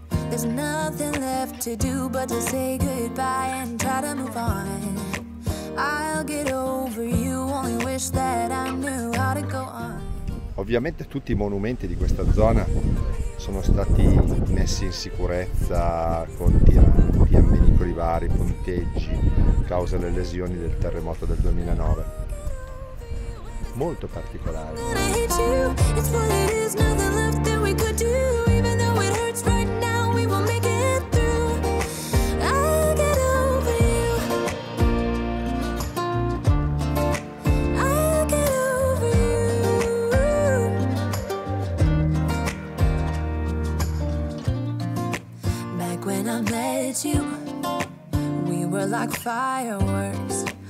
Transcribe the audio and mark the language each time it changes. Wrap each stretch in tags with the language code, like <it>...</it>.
<en>There's nothing left to do but to say goodbye and try to move on. I'll get over you, only wish that I knew how to go on.</en> <it>Ovviamente tutti i monumenti di questa zona sono stati messi in sicurezza con tiranti, ammenicoli vari, ponteggi, causa le lesioni del terremoto del 2009. Molto particolare.</it> <en>Back when I met you, we were like fireworks.</en>